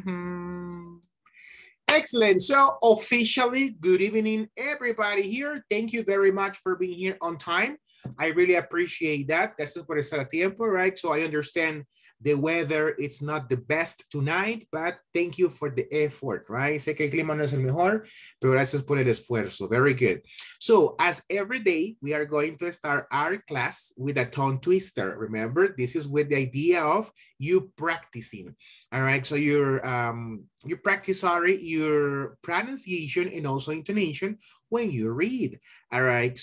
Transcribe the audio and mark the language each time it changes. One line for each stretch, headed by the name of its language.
English: Mm-hmm. Excellent. So officially, good evening, everybody here. Thank you very much for being here on time. I really appreciate that.
Spanish: Gracias por estar a tiempo,
English: right? So I understand the weather, it's not the best tonight, but thank you for the effort, right?
Spanish: Sé que el clima no es el mejor, pero gracias por el esfuerzo.
English: Very good. So as every day, we are going to start our class with a tongue twister. Remember, this is with the idea of you practicing, all right? So your pronunciation and also intonation when you read, all right?